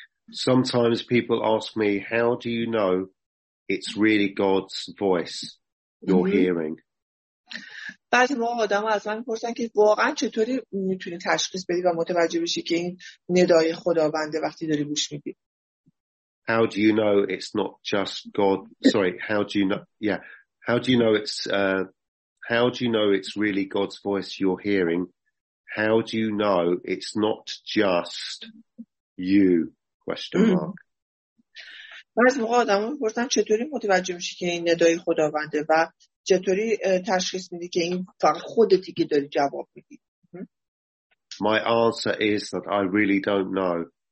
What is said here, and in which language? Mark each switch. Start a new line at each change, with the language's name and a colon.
English: Sometimes people ask me, how do you know it's really God's voice you're hearing?
Persian: بعضی موقع آدم ها از من میپرسن که واقعا چطوری میتونی تشخیص بدی و متوجه بشی که این ندای خداونده وقتی داری گوش میدی.
English: How do you know it's not just God? Sorry, how do you know? Yeah, how do you know it's how do you know it's really God's voice you're hearing? How do you know it's not just you? Question mark.
Persian: باز موقع آدم ها میپرسن چطوری متوجه میشی که این ندای خداونده و چطوری تشخیص میدی که این فقط خودتی که داری جواب میدی.
English: My answer is that I really don't know.